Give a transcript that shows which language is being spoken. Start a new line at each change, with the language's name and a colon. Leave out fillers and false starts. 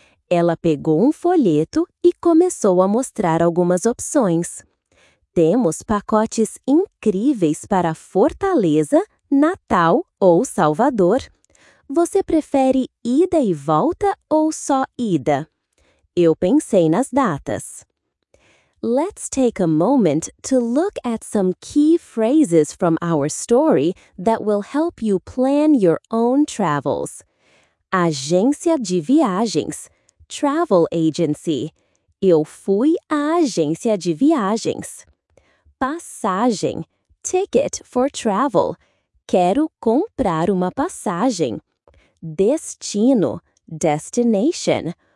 Portuguese: Ela pegou um folheto e começou a mostrar algumas opções. Temos pacotes incríveis para Fortaleza, Natal ou Salvador. Você prefere ida e volta ou só ida? Eu pensei nas datas.
English: Let's take a moment to look at some key phrases from our story that will help you plan your own travels.
Portuguese: Agência de viagens,
English: travel agency.
Portuguese: Eu fui à agência de viagens. Passagem,
English: ticket for travel.
Portuguese: Quero comprar uma passagem. Destino,
English: destination.